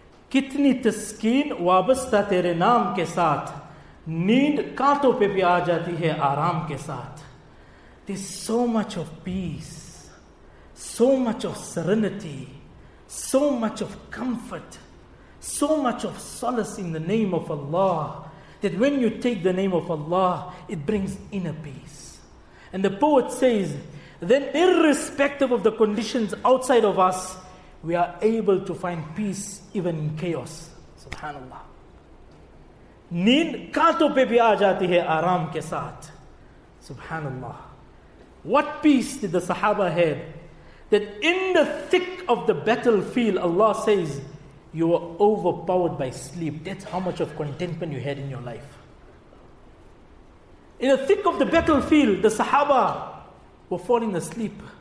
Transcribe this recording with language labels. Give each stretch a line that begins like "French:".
Urdu: کتنی تسکین وابستہ تیرے نام کے ساتھ، نیند کانٹوں پہ بھی آ جاتی ہے آرام کے ساتھ.
English: There's so much of peace, so much of serenity, so much of comfort, so much of solace in the name of Allah, that when you take the name of Allah, it brings inner peace. And the poet says, then irrespective of the conditions outside of us, we are able to find peace even in chaos. Subhanallah.
Urdu: نیند کانٹوں پہ بھی آ جاتی ہے آرام کے ساتھ.
English: سبحان اللہ, what peace did the Sahaba had, that in the thick of the battlefield Allah says you were overpowered by sleep. That's how much of contentment you had in your life. In the thick of the battlefield, the Sahaba were falling asleep.